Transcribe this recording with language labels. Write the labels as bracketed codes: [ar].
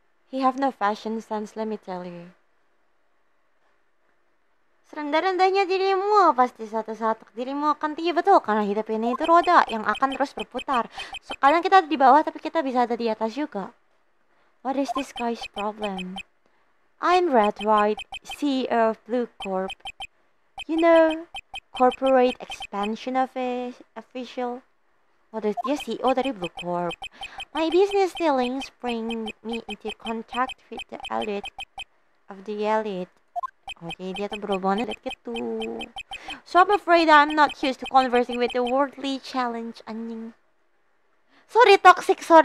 [en] He have no fashion sense, let me tell you. [id] Serendah-rendahnya dirimu, pasti suatu saat dirimu akan tinggi, betul? Karena hidup ini itu roda yang akan terus berputar. Sekarang kita ada di bawah, tapi kita bisa ada di atas juga. [en] What is this guy's problem? I'm Red White, CEO of Blue Corp. You know, corporate expansion official. Oh, the CEO dari Blue Corp. My business dealings bring me into contact with the elite of the elite. [id] Okay, dia tuh berhubungan dengan gitu. [en] So I'm afraid I'm not used to conversing with the worldly challenge, anjing. Sorry, toxic.